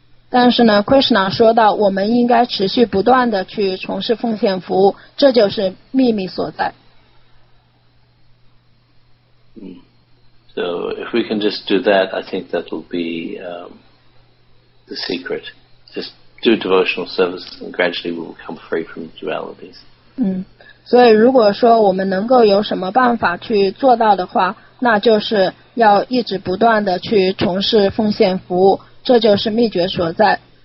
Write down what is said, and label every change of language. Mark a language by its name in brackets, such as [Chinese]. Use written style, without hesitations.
[Chinese] 但是呢 ，Krishna 说到我们应该持续不断的去从事奉献服务，这就是秘密所在。 [English] So if we can just do that, I think that will be the secret. Just do devotional service and gradually we will come free from dualities. [Chinese] 所以如果说我们能够有什么办法去做到的话，那就是要一直不断地去从事奉献服务，这就是秘诀所在。